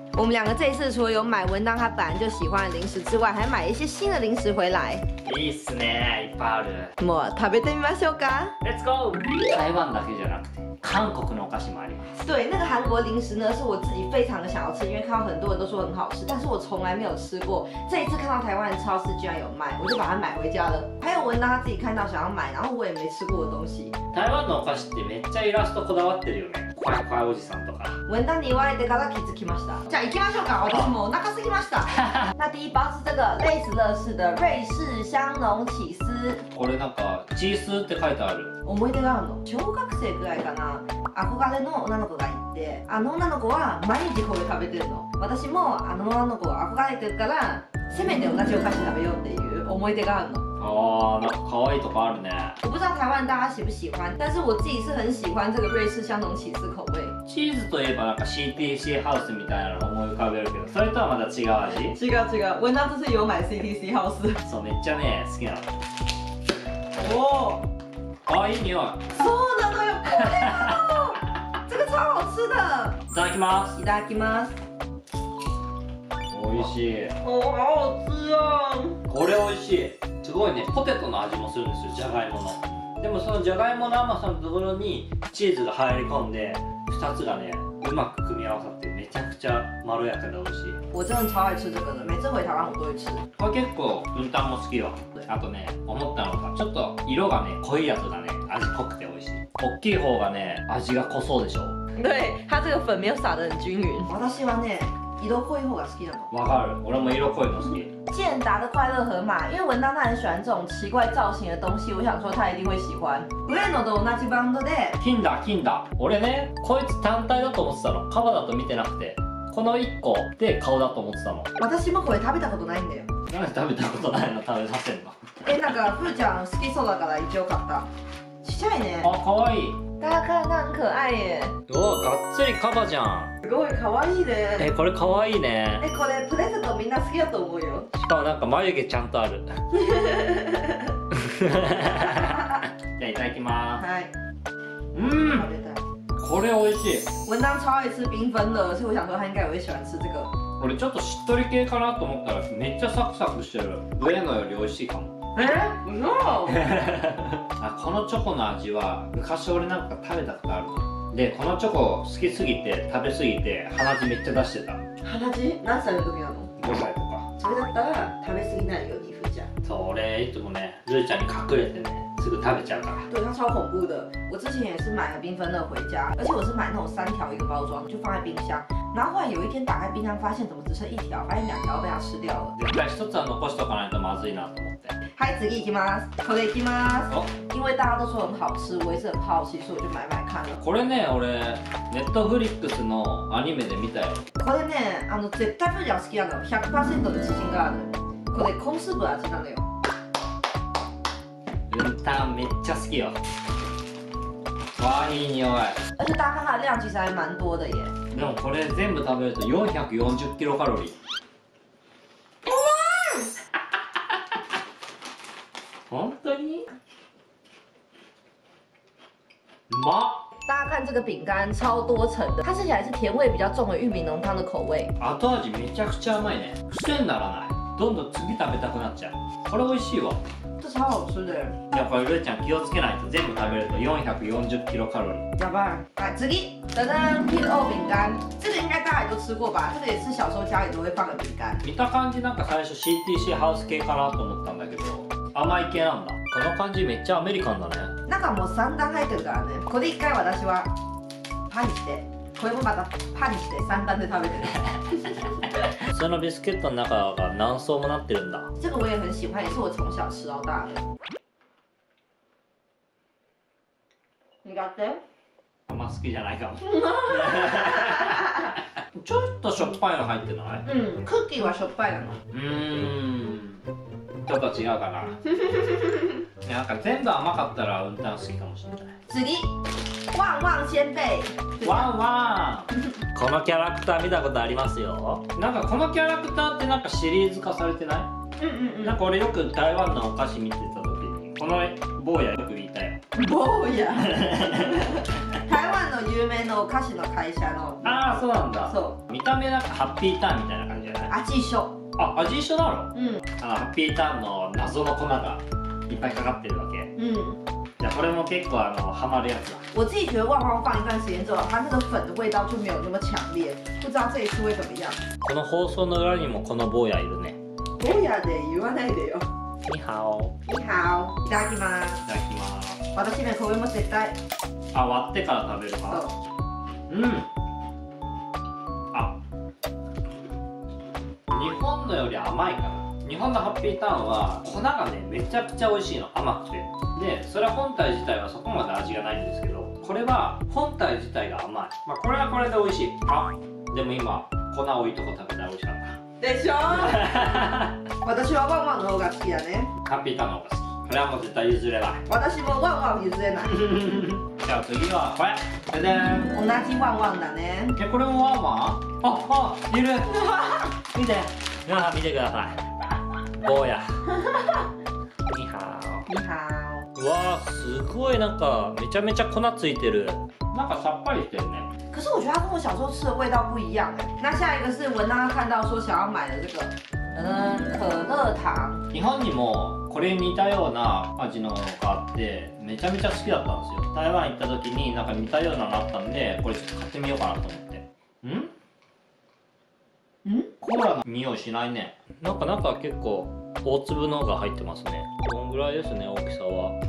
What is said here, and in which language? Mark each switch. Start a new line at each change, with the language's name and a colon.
Chinese: 我们两个这次除了有买文章他本来就喜欢的零食之外，还买一些新的零食回来。
Japanese: いいっすね、いっぱいある。もう食べてみましょうか。
English: Let's go！
Japanese: 台湾だけじゃなくて。韩国のお菓子もあります。
Chinese: 对，那个韩国零食呢，是我自己非常的想要吃，因为看到很多人都说很好吃，但是我从来没有吃过。这一次看到台湾的超市居然有卖，我就把它买回家了。还有文章他自己看到想要买，然后我也没吃过的东西。
Japanese: 台湾のお菓子ってめっちゃイラストこだわってるよね。怖い怖いおじさんとか。文章に言われてから気づきました。じゃあ行きましょうか。私もお腹すきました。
Chinese: 那第一包是这个类似乐事的瑞士香浓起司。
Japanese: これなんかチースって書いてある。思い出があるの。小学生ぐらいかな。憧れの女の子がいて、あの女の子は毎日これ食べてるの。私もあの女の子を憧れてるから、せめて同じお菓子食べようっていう思い出があるの。ああ、なんか可愛いとこあるね。
Chinese: 我不知道台湾大家喜不喜欢，但是我自己是很喜欢这个瑞士香浓起司口味。
Japanese: チーズといえばなんか CTC ハウスみたいなの思い浮かべるけど、それとはまた違う味？違う違う。
Chinese: 文章这次有买 CTC ハウス。
Japanese: そう、めっちゃね、好きなの。おお。あ、いい匂い。そうなのよ、これなの。
Chinese: 这个超好吃的。
Japanese: いただきます。いただきます。美味しい。
Chinese: おお、好好吃啊。
Japanese: これ美味しい。すごいね、ポテトの味もするんですよ、じゃがいもの。でもそのじゃがいもの甘さのところにチーズが入り込んで、二つがね、うまく組み合わさってめちゃくちゃまろやかで美味しい。
Chinese: 我真的超爱吃这个的，每次回台湾我都会吃。
Japanese: これ結構文旦も好きよ。あとね、思ったのがちょっと色がね濃いやつがね味濃くて美味しい。大きい方がね味が濃そうでしょう。
Chinese: 对，它这个粉没有撒得很均匀。
Japanese: 私はね。色濃い方が好きなの。わかる。俺も色濃いの好き。
Chinese: 健达的快乐盒嘛，因为文章他很喜欢这种奇怪造型的东西，我想说他一定会喜欢。
Japanese: 上野と同じバンドで。金だ金だ。俺ね、こいつ単体だと思ってたの。カバだと見てなくて、この一個で顔だと思ってたの。私もこれ食べたことないんだよ。なんで食べたことないの？食べさせんの。え、なんかふーちゃん好きそうだから一応買った。ちっちゃいね。あ、可愛い。
Chinese: 大家看看，很可爱耶！
Japanese: 哇，がっつりカバじゃん。すごい可愛いね。え、これ可愛いね。え、これプレゼントみんな好きだと思うよ。しかもなんか眉毛ちゃんとある。じゃあいただきます。はい。うん。これ美味しい。
Chinese: 文章超爱吃缤纷的，所以我想说他应该也会喜欢吃这个。
Japanese: これちょっとしっとり系かなと思ったらめっちゃサクサクしてる。上のより美味しいかも。え、ノー。あ、このチョコの味は昔俺なんか食べたことある。で、このチョコ好きすぎて食べすぎて鼻血めっちゃ出してた。鼻血？何歳の時なの？ 5歳とか。それだったら食べ過ぎないように、ふーちゃん。それいつもね、ずーちゃんに隠れてね、すぐ食べちゃうから。
Chinese: 对，它超恐怖的。我之前也是买了缤纷乐回家，而且我是买那种三条一个包装，就放在冰箱。然后后来有一天打开冰箱，发现怎么只剩一条，发现两条被它吃掉了。
Japanese: 絶対一つは残しとかないとまずいなと思って。はい、次行きます。これ行きます。
Chinese: 因为大家都说很好吃，我也是很好奇，所以我就买买看了。
Japanese: これね、俺ネットフリックスのアニメで見たよ。これね、絶対フジは好きなの、100% の自信がある。これコーンスープ味なのよ。文旦めっちゃ好きよ。わあ、いい匂い。
Chinese: 而且大家看它的量其实还蛮多的耶。
Japanese: でもこれ全部食べると440キロカロリー。本当に？ま。
Chinese: 大家看这个饼干，超多层的，它吃起来是甜味比较重的玉米浓汤的口味。
Japanese: 後味めちゃくちゃ甘いね。癖にならない。どんどん次食べたくなっちゃう。これ美味しいわ。
Chinese: 这超好吃的。
Japanese: やっぱりルイちゃん気をつけないと全部食べると440キロカロリー。やばい。はい、次。
Chinese: 噔噔 ，P O 饼干，这个应该大家都吃过吧？这个也是小时候家里都会放的饼干。
Japanese: 見た感じなんか最初 C T C ハウス系かなと思ったんだけど。甘い系なんだ。この感じめっちゃアメリカンだね。なんかもう三段入ってるからね。これ一回私はパンにして、これもまたパンにして三段で食べてる。そのビスケットの中が何層もなってるんだ。
Chinese: 这个我也很喜欢，也是我从小吃到大的。
Japanese: だって。あんま好きじゃないかも。ちょっとしょっぱいの入ってない？うん、クッキーはしょっぱいなの。ちょっと違うかな。なんか全部甘かったら運転好きかもしれない。次、ワンワン先輩。ワンワン。このキャラクター見たことありますよ。なんかこのキャラクターってなんかシリーズ化されてない？うんうんうん。なんか俺よく台湾のお菓子見てた時にこの坊やよく見たよ。坊や。台湾の有名のお菓子の会社の。ああそうなんだ。そう。見た目なんかハッピーターンみたいな感じじゃない？味一緒。あ、味一緒なの？うん。あのハッピーターンの謎の粉がいっぱいかかってるわけ。うん。じゃあこれも結構あのハマるやつだ。
Chinese: 我自己觉得旺旺放一段时间之后，它那个粉的味道就没有那么强烈，不知道这一次会怎么样。
Japanese: この放送の裏にもこの坊やいるね。坊やで言わないでよ。
Chinese: 你好。你好。
Japanese: いただきます。いただきます。私ねこれも絶対。あ、割ってから食べるか。そう。うん。あ。日本のより甘いから。日本のハッピーターンは粉がねめちゃくちゃ美味しいの、甘くて。でそれは本体自体はそこまで味がないんですけど、これは本体自体が甘い。まあこれはこれで美味しい。あ、でも今粉多いとこ食べたら美味しかったでしょ。私はワンワンの方が好きだね。ハッピーターンの方が好き。これはもう絶対譲れない。私もワンワン譲れない。じゃあ次はこれ。でで、同じワンワンだね。え、これもワンワン。あ、あ、いる。見て、あ、見てください。坊や。にはお。うわぁ、すごい、なんかめちゃめちゃ粉ついてる。なんかさっぱりしてるね。
Chinese: 可是我觉得它跟我小时候吃的味道不一样。那下一个是我刚刚看到说想要买的这个，可乐糖。
Japanese: 日本にもこれ似たような味のがあってめちゃめちゃ好きだったんですよ。台湾行った時になんか似たようなのあったんで、これちょっと買ってみようかなと思って。ん？ん？コーラの匂いしないね。なんか結構大粒のが入ってますね。こんぐらいですね、大きさは。